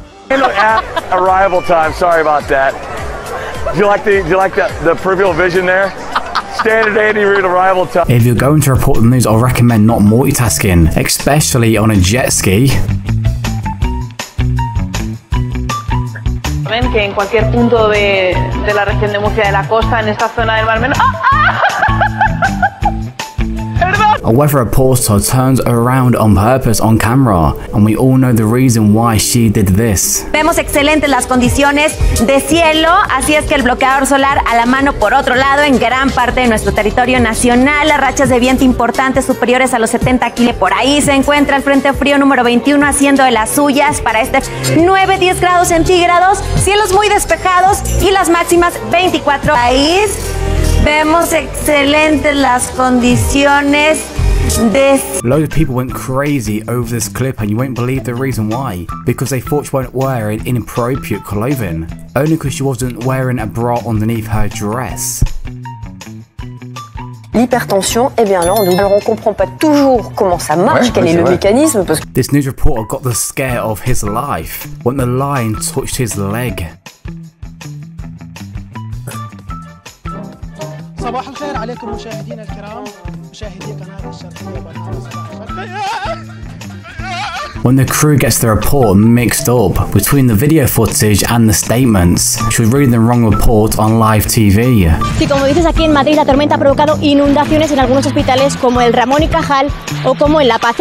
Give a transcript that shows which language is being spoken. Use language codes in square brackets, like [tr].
[en] Arrival time, sorry about that. Do you like the peripheral vision there? Standard 80 route arrival time. If you're going to report the news, I recommend not multitasking, especially on a jet ski. [es] Ven que en cualquier punto de la región de Murcia de la costa en esta zona del Mar Menor. [en] A weather reporter turns around on purpose on camera, and we all know the reason why she did this. [es] Vemos excelentes las condiciones de cielo, así es que el bloqueador solar a la mano por otro lado en gran parte de nuestro territorio nacional. Las rachas de viento importantes superiores a los 70 km. Por ahí se encuentra el frente frío número 21 haciendo de las suyas para este 9-10 grados centígrados, cielos muy despejados y las máximas 24. Ahí. Vemos excelentes las condiciones de... [en] Loads of people went crazy over this clip, and you won't believe the reason why. Because they thought she weren't wearing inappropriate clothing. Only because she wasn't wearing a bra underneath her dress. [fr] L'hypertension, eh bien là, alors on comprend pas toujours comment ça marche, ouais, quel est le mécanisme. Parce... [en] This news reporter got the scare of his life when the line touched his leg. [ar] صباح الخير عليكم مشاهدينا الكرام مشاهدي قناة الشرقية [en] When the crew gets the report mixed up between the video footage and the statements, she was reading the wrong report on live TV. [es] Sí, como dices aquí en Madrid, la tormenta ha provocado inundaciones en algunos hospitales como el Ramón y Cajal o como en La Paz.